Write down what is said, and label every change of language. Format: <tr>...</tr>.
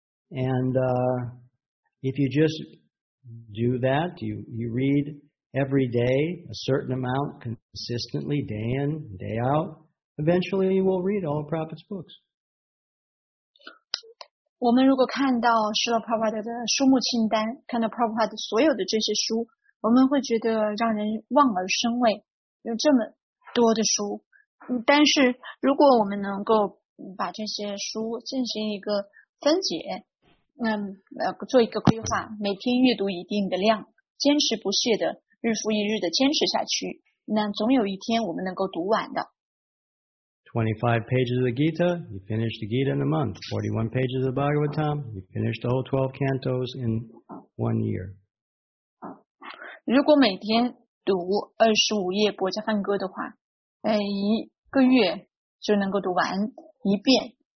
<en>And if you just do that, you read every day a certain amount consistently, day in, day out, eventually you will read all Prabhupada's books.</en> <zh>我们如果看到释迦牟尼的书目清单，看到 Prabhupada 所有的这些书，我们会觉得让人望而生畏，有这么多的书。但是如果我们能够把这些书进行一个分解，做一个规划，每天阅读一定的量，坚持不懈的日复一日的坚持下去，那总有一天我们能够读完的。</zh> <en>25 pages of the Gita, you finish the Gita in a month. 41 pages of the Bhagavatam, you finish the whole 12 cantos in 1 year.</en> <zh>如果每天读25页《薄伽梵歌》的话，一个月就能够读完一遍。</zh>